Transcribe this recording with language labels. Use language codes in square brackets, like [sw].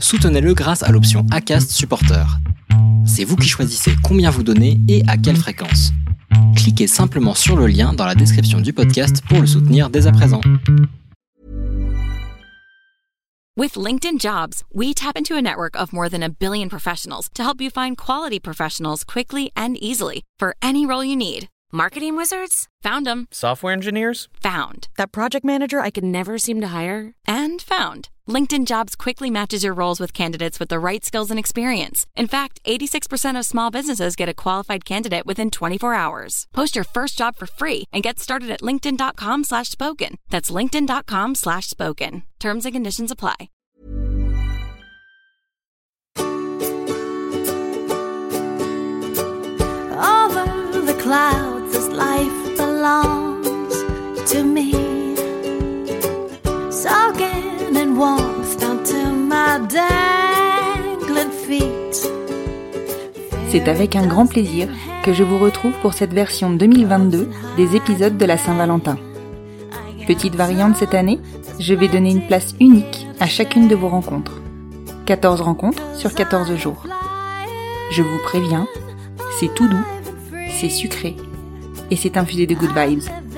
[fr] Soutenez-le grâce à l'option Acast Supporter. C'est vous qui choisissez combien vous donnez et à quelle fréquence. Cliquez simplement sur le lien dans la description du podcast pour le soutenir dès à présent. [en] With LinkedIn Jobs, we tap into a network of more than a billion professionals to help you find quality professionals quickly and easily for any role you need. Marketing wizards? Found them. Software engineers? Found. That project manager I could never seem to hire? And found. LinkedIn Jobs quickly matches your roles with candidates with the right skills and experience. In fact, 86% of small businesses get a qualified candidate within 24 hours. Post your first job for free and get started at linkedin.com/spoken. That's linkedin.com/spoken. Terms and conditions apply. Over the clouds, this life belongs to me. Soaking in warmth down to my dangling feet. [fr] C'est avec un grand plaisir que je vous retrouve pour cette version 2022 des épisodes de la Saint-Valentin. Petite variante cette année, je vais donner une place unique à chacune de vos rencontres. 14 rencontres sur 14 jours. Je vous préviens, c'est tout doux, c'est sucré et c'est infusé de [en] good vibes.